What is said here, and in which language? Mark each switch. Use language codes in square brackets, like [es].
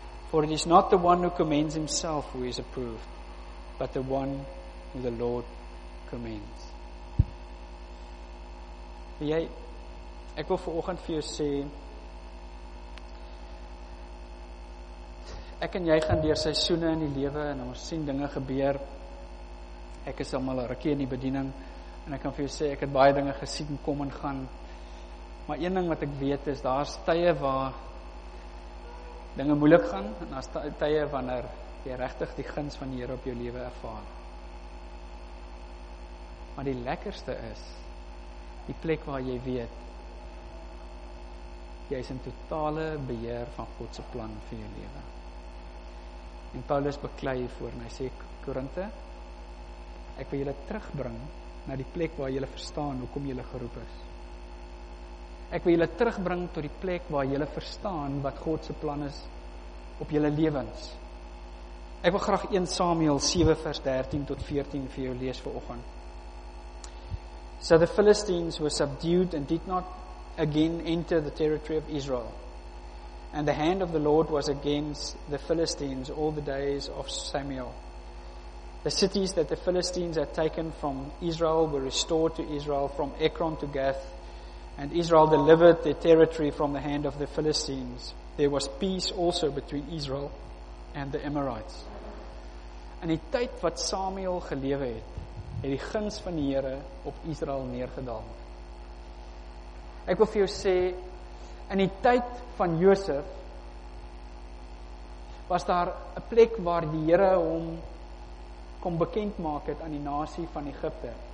[en] For it is not the one who commends himself who is approved, but the one who the Lord commends. [af] Jy, ek wil vanoggend vir jou sê, ek en jy gaan deur seisoene in die lewe en ons sien dinge gebeur. Ek is almal 'n rukkie in die bediening en ek kan vir jou sê, ek het baie dinge gesien kom en gaan. Maar een ding wat ek weet is, daar's tye waar dinge moeilik gaan en daar's tye wanneer jy regtig die guns van die Here op jou lewe ervaar. Maar die lekkerste is die plek waar jy weet jy is in totale beheer van God se plan vir jou lewe. En Paulus beklei voor en hy sê, Korinthe, ek wil julle terugbring na die plek waar julle verstaan hoekom julle geroep is. Ek wil julle terugbring tot die plek waar julle verstaan wat God se plan is op julle lewens. Ek wil graag 1 Samuel 7 vers 13 tot 14 vir jou lees vanoggend. [en] So the Philistines were subdued and did not again enter the territory of Israel. And the hand of the Lord was against the Philistines all the days of Samuel. The cities that the Philistines had taken from Israel were restored to Israel from Ekron to Gath, and Israel delivered their territory from the hand of the Philistines. There was peace also between Israel and the Amorites. [af] In die tyd wat Samuel gelewe het, het die guns van die Here op Israel neergedaal. Ek wil vir jou sê, in die tyd van Josef, was daar 'n plek waar die Here hom kom bekend maak het aan die nasie van Egipte.